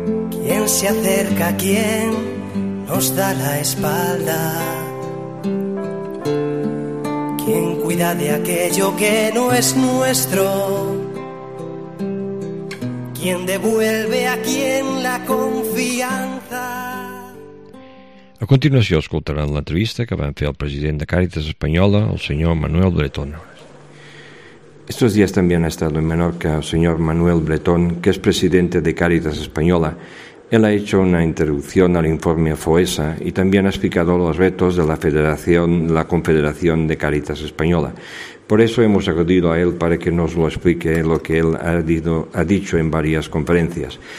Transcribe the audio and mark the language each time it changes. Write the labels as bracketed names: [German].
[Spanish] ¿Quién se acerca a quién nos da la espalda? ¿Quién cuida de aquello que no es nuestro? ¿Quién devuelve a quién la confianza? [Catalan] A continuació escoltaran l'entrevista que van fer el president de Càritas Espanyola, el senyor Manuel Bretón. [Spanish] Estos días también ha estado en Menorca el señor Manuel Bretón, que es presidente de Cáritas Española. Él ha hecho una introducción al informe FOESA y también ha explicado los retos de la Confederación de Cáritas Española. Por eso hemos acudido a él para que nos lo explique lo que él ha dicho en varias conferencias.